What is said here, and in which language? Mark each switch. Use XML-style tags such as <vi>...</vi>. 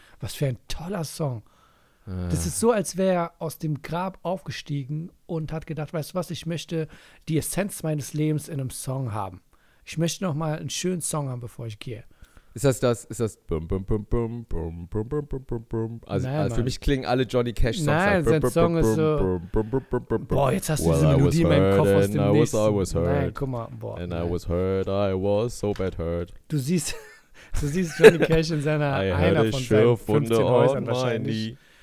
<de>Was für ein toller Song. Das ist so, als wäre er aus dem Grab aufgestiegen und hat gedacht, weißt du was, ich möchte die Essenz meines Lebens in einem Song haben. Ich möchte noch mal einen schönen Song haben, bevor ich gehe. Ist das bum bum bum bum bum bum bum bum bum bum. Also, nein, also für mich klingen alle Johnny Cash Songs halt. Nein, sein Song ist so. Boah, jetzt hast du diese Melodie in meinem Kopf aus dem nächsten.</de> <en>I was hurt.</en> <de>Nein, guck mal, boah.</de> <en>And I was hurt, I was so bad hurt.</en> <de>Du siehst Johnny Cash in seiner einer von seinen 15 Häusern wahrscheinlich.</de>